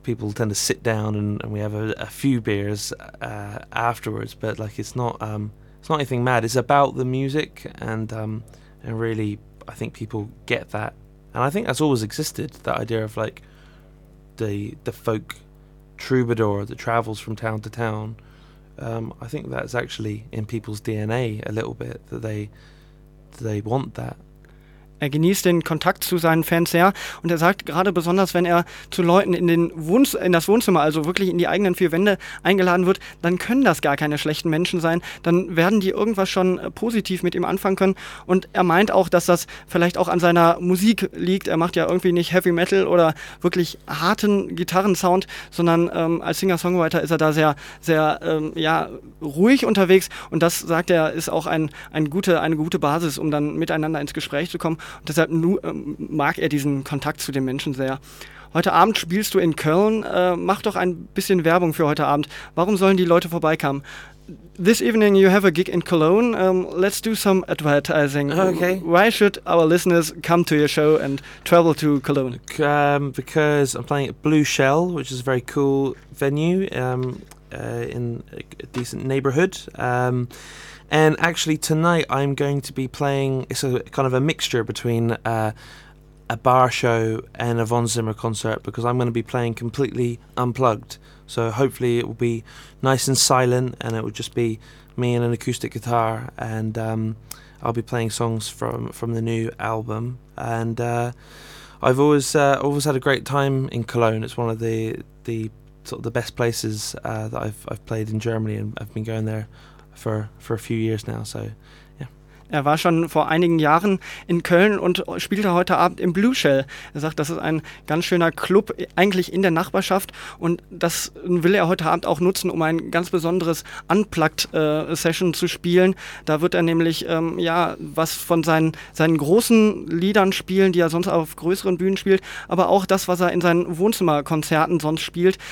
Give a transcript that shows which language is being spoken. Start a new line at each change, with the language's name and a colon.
English: People tend to sit down and we have a few beers afterwards, but like it's not anything mad. It's about the music, and really I think people get that, and I think that's always existed, that idea of like the folk troubadour that travels from town to town. I think that's actually in people's DNA a little bit, that they want that.
German: Er genießt den Kontakt zu seinen Fans sehr, und er sagt, gerade besonders, wenn er zu Leuten in das Wohnzimmer, also wirklich in die eigenen vier Wände, eingeladen wird, dann können das gar keine schlechten Menschen sein, dann werden die irgendwas schon positiv mit ihm anfangen können. Und er meint auch, dass das vielleicht auch an seiner Musik liegt. Er macht ja irgendwie nicht Heavy Metal oder wirklich harten Gitarrensound, sondern als Singer-Songwriter ist er da sehr, sehr ruhig unterwegs, und das, sagt er, ist auch eine gute Basis, um dann miteinander ins Gespräch zu kommen. Und deshalb mag er diesen Kontakt zu den Menschen sehr. Heute Abend spielst du in Köln. Mach doch ein bisschen Werbung für heute Abend. Warum sollen die Leute vorbeikommen?
English: This evening you have a gig in Cologne. Let's do some advertising. Okay. Why should our listeners come to your show and travel to Cologne? Because I'm playing at Blue Shell, which is a very cool venue. in a decent neighborhood. And actually tonight I'm going to be playing, it's a kind of a mixture between a bar show and a Von Zimmer concert, because I'm going to be playing completely unplugged. So hopefully it will be nice and silent, and it will just be me and an acoustic guitar, and I'll be playing songs from the new album. And I've always had a great time in Cologne. It's one of the sort of the best places that I've played in Germany, and I've been going there for a few years now. So
German: Er war schon vor einigen Jahren in Köln und spielte heute Abend im Blue Shell. Er sagt, das ist ein ganz schöner Club, eigentlich in der Nachbarschaft. Und das will er heute Abend auch nutzen, um ein ganz besonderes Unplugged-Session zu spielen. Da wird er nämlich was von seinen großen Liedern spielen, die er sonst auf größeren Bühnen spielt, aber auch das, was er in seinen Wohnzimmerkonzerten sonst spielt.